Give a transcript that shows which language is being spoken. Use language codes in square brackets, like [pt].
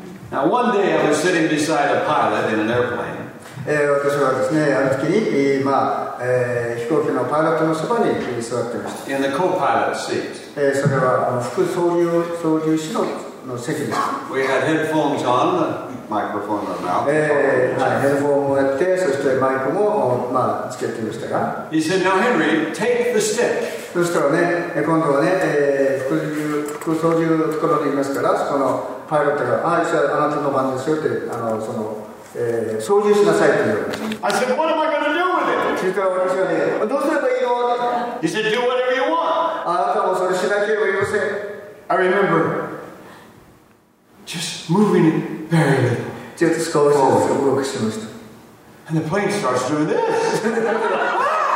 [en] Now one day I was sitting beside a pilot in an airplane. In the co-pilot seat. We had headphones on, the microphone on the mouth. He said, now Henry, take the stick. [ja] そしたらね、今度はね、副操縦ところにいますから、そのパイロットが、あ、じゃああなたの番ですよって、その、操縦しなさいって言われました。 [en] I said, what am I going to do with it? [ja] そしたら私はね、どうすればいいの? [en] He said, do whatever you want. [ja] あなたもそれしなければいいません。 [en] I remember just moving it very little. [ja] ちょっと少しずつ動かしました。 [en] And the plane starts doing this.